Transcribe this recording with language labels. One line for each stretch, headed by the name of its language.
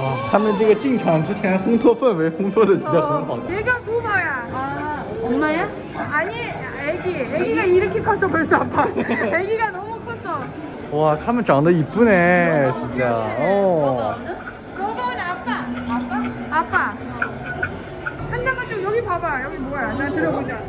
Chinese: 他们这个进场之前烘托氛围烘托的比较很好的。
Korean: 얘가부모야 엄마야 아니애기애기가이렇게컸어벌써아빠애기가너무컸어 와
Chinese: 他们长得
Korean: 이쁘네진짜어 그거는아빠 아빠 아빠한나가좀여기봐봐여기뭐야나들어보자